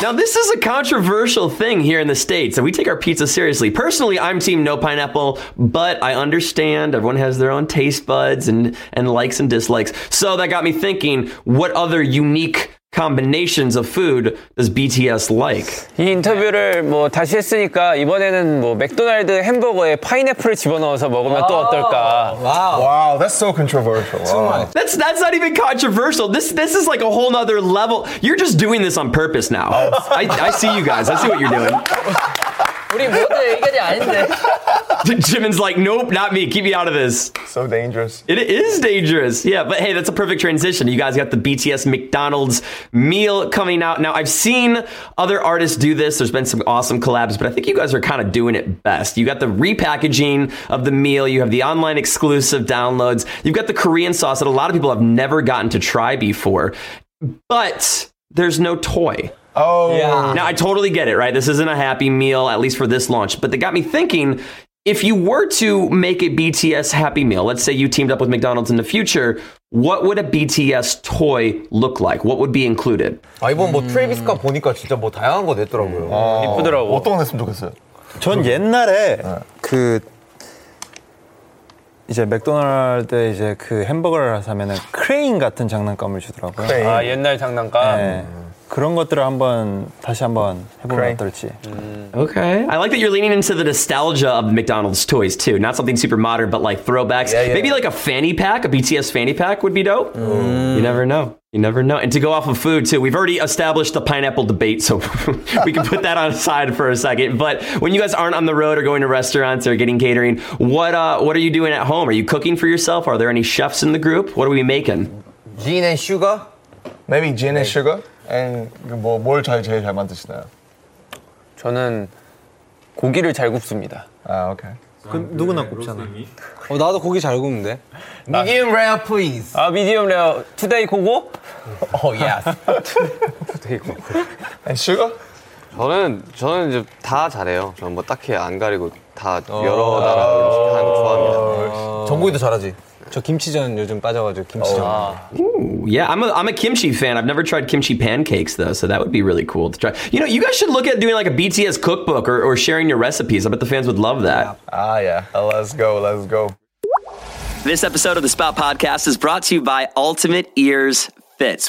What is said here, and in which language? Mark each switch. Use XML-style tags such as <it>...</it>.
<en>Now, this is a controversial thing here in the States, and we take our pizza seriously. Personally, I'm team no pineapple, but I understand everyone has their own taste buds and likes and dislikes. So that got me thinking, what other unique combinations of food does BTS like?</en> <ko>이 인터뷰를 뭐 다시 했으니까 이번에는 뭐 맥도날드 햄버거에 파인애플을 집어넣어서 먹으면 또 어떨까?</ko> <en>Wow. Wow, that's so controversial. Wow. That's not even controversial. This is like a whole nother level. You're just doing this on purpose now. I see you guys. I see what you're doing.</en> <ko>우리 모두 의견이 아닌데.</ko> <en>Jimin's like, nope, not me. Keep me out of this. So dangerous. It is dangerous. Yeah, but hey, that's a perfect transition. You guys got the BTS McDonald's meal coming out. Now, I've seen other artists do this. There's been some awesome collabs, but I think you guys are kind of doing it best. You got the repackaging of the meal. You have the online exclusive downloads. You've got the Korean sauce that a lot of people have never gotten to try before. But there's no toy. Oh, yeah. Now, I totally get it, right? This isn't a happy meal, at least for this launch. But they got me thinking, if you were to make a BTS happy meal, let's say you teamed up with McDonald's in the future, what would a BTS toy look like? What would be included?</en> <ko>아, 이번 뭐 트래비스 거 보니까 진짜 뭐 다양한 거 냈더라고요. 아, 이쁘더라고. 어떤 거 냈으면 좋겠어요? 전 옛날에 네. 그 이제 맥도날드 이제 그 햄버거를 사면은 크레인 같은 장난감을 주더라고요. 크레인. 아, 옛날 장난감. 네. 그런 것들을 한번 다시 한번 해보면 어떨지.</ko> <en>Okay. I like that you're leaning into the nostalgia of McDonald's toys too. Not something super modern, but like throwbacks. Yeah, yeah. Maybe like a fanny pack, a BTS fanny pack would be dope. Mm. You never know. You never know. And to go off of food too, we've already established the pineapple debate, so we can put that on aside for a second. But when you guys aren't on the road or going to restaurants or getting catering, what are you doing at home? Are you cooking for yourself? Are there any chefs in the group? What are we making? Gin and sugar. Maybe gin and sugar. And</en> <ko>뭐 뭘 잘 제일 잘 만드시나요? 저는 고기를 잘 굽습니다. 아, 오케이. 그 누구나 굽잖아. 어, 나도 고기 잘 굽는데.</ko> <en>Medium rare, please. 아, medium rare. Today 고고? Oh, yes. Today 고고. And sugar?</en> <ko>저는 이제 다 잘해요. 저는 뭐 딱히 안 가리고 다 여러 나라 음식 다 좋아합니다. 정국이도 잘하지. 저 김치전 요즘 빠져가지고 김치전.</ko> <en>Yeah, I'm a kimchi fan. I've never tried kimchi pancakes though, so that would be really cool to try. You know, you guys should look at doing like a BTS cookbook or sharing your recipes. I bet the fans would love that. Ah, yeah. Let's go. Let's go. This episode of the Spout Podcast is brought to you by Ultimate Ears Fits.</en>